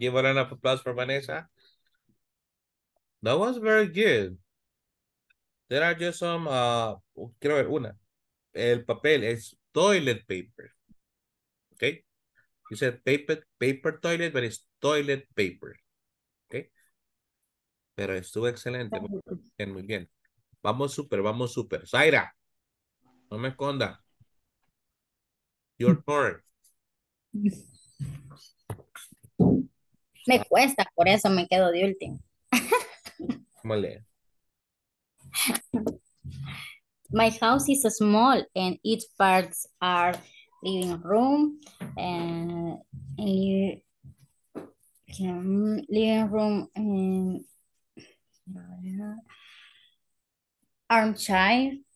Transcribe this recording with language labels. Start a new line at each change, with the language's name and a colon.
English: Give a round of applause for Vanessa. That was very good. There are just some
Spanish: quiero ver una. El papel es
English: toilet paper. Okay? You said paper toilet, but it's toilet paper.
Spanish: Pero estuvo excelente, muy bien. Vamos súper. Zaira, No me esconda.
English: Your turn.
Spanish: Me cuesta, por eso me quedo de último. ¿Cómo lee?
English: My house is small and its parts are living room and living room and armchair.